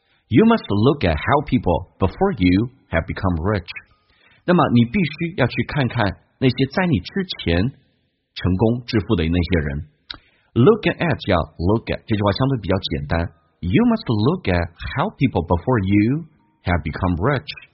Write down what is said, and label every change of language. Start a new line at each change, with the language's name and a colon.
English: You must look at how people before you have become rich.
Chinese: 那么你必须要去看看那些在你之前成功致富的那些人。 Look at 叫 look at， 这句话相对比较简单。
English: You must look at how people before you have become rich.